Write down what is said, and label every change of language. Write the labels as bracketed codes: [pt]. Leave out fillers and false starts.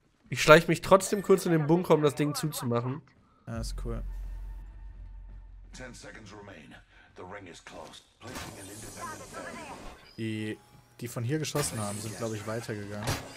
[de] Ich schleiche mich trotzdem kurz in den Bunker, um das Ding zuzumachen. Ja, ist cool. [en] 10 seconds remain. The ring is closed. Placing an independent bomb. [de] Die von hier geschossen haben, sind, glaube ich, weitergegangen.